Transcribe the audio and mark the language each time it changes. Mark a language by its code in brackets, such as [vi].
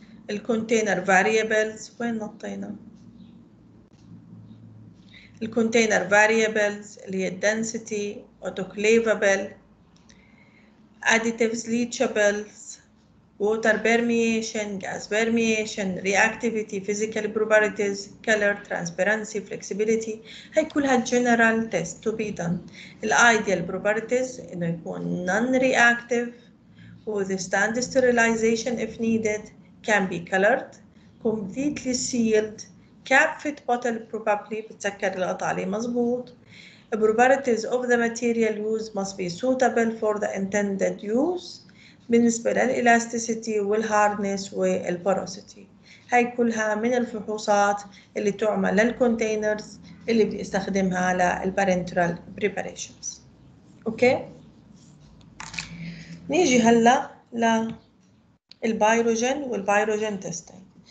[en] الكونتينر variables، [ar] وين نطينا؟ [en] الكونتينر variables [ar] اللي هي [en] density، autoclavable، additives leachables، water permeation، gas permeation، reactivity، physical properties، color، transparency، flexibility، [ar] هاي كلها [en] general test to be done. الideal properties [ar] انه يكون [en] non-reactive with stand sterilization if needed, can be colored, completely sealed, cap fit bottle probably, [ar] بتذكر القطع اللي مزبوط. [en] The properties of the material used must be suitable for the intended use بالنسبة للإلاستيسيتي والهاردنس والبوروسيتي. [ar] هاي كلها من الفحوصات اللي تعمل للكونتينرز اللي بدي استخدمها للبارنترال بريباريشنز. اوكي؟ نيجي هلا للبيروجين والبيروجين تيستينج.